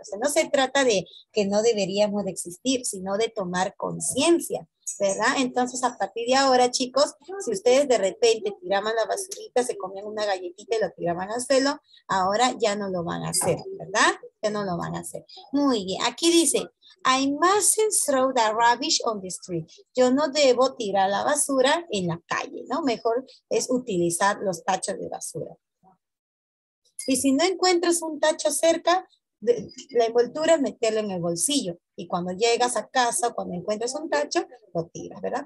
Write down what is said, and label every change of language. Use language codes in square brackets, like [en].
[es] O sea, no se trata de que no deberíamos de existir, sino de tomar conciencia, ¿verdad? Entonces, a partir de ahora, chicos, si ustedes de repente tiraban la basurita, se comían una galletita y lo tiraban al suelo, ahora ya no lo van a hacer, ¿verdad? Ya no lo van a hacer. Muy bien. Aquí dice, [en] I mustn't throw the rubbish on the street. [es] Yo no debo tirar la basura en la calle, ¿no? Mejor es utilizar los tachos de basura. Y si no encuentras un tacho cerca, la envoltura es meterlo en el bolsillo. Y cuando llegas a casa, cuando encuentras un tacho, lo tiras, ¿verdad?